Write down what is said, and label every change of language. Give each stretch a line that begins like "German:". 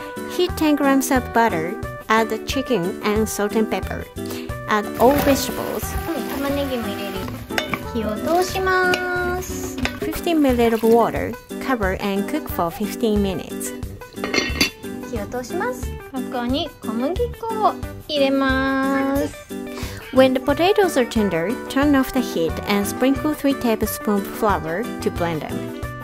English: Heat 10 grams of butter, add the chicken and salt and pepper. Add all vegetables.
Japanese: 玉ねぎも入れる。火を通します。
English: 15 ml of water, cover and cook for 15 minutes.
Japanese: 火を通します。ここに小麦粉を入れます。
English: When the potatoes are tender, turn off the heat and sprinkle 3 tablespoons of flour to blend them.